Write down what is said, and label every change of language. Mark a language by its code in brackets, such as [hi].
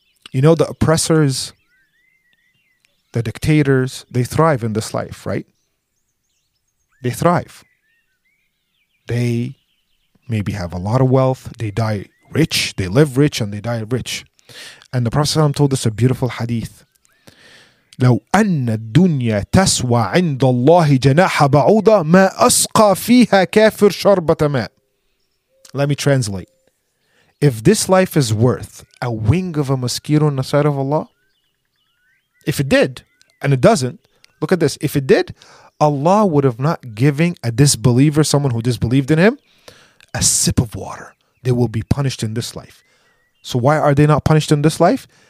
[en] You know, the oppressors, the dictators, they thrive in this life, right? They thrive. They maybe have a lot of wealth. They die rich. They live rich and they die rich. And the Prophet ﷺ told us a beautiful hadith. [ar] لو أن الدنيا تسوى عند الله جناح بعوضة ما أسقى فيها كافر شربة ماء. [en] Let me translate. If this life is worth a wing of a mosquito on the side of Allah, if it did, and it doesn't, look at this. If it did, Allah would have not given a disbeliever, someone who disbelieved in him, a sip of water, they will be punished in this life. So why are they not punished in this life?